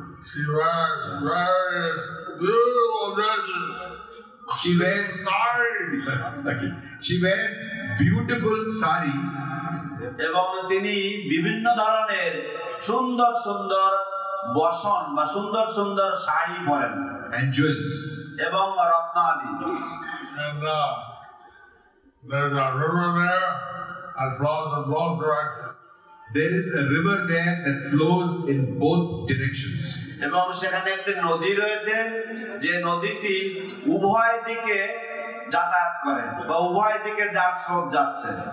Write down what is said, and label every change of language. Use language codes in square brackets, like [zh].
[en] She wears various beautiful dresses. She wears beautiful sarees. [bn] এবং তিনি বিভিন্ন ধরনের সুন্দর সুন্দর বসন বা সুন্দর সুন্দর শাড়ি পরেন. [en] And jewels. [bn] এবং রত্নাদি. [en] And there's a river there that flows in both directions. There is a river there that flows in both directions. [bn] এবং সেখানে একটা নদী রয়েছে, যে নদীটি উভয় দিকে যাতায়াত করে বা উভয় দিকে যার স্রোত যাচ্ছে.